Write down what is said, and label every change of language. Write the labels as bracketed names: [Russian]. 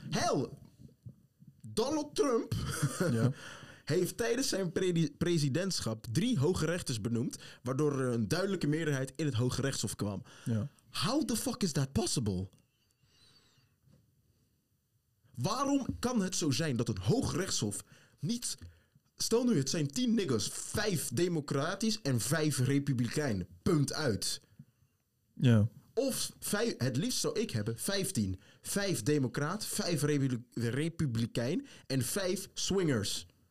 [Dutch] Hell, Donald Trump heeft tijdens zijn presidentschap 3 hoge rechters benoemd, waardoor er een duidelijke meerderheid in het Hoge Rechtshof kwam. Ja. [English] How the fuck is that possible? [Dutch] Waarom kan het zo zijn dat een Hoge Rechtshof niet... Stel nu, het zijn 10 niggas, 5 democratisch en 5 republikein. Punt uit. Ja. Of het liefst zou ik hebben 15. 5 democraat, 5 republikein en 5 swingers.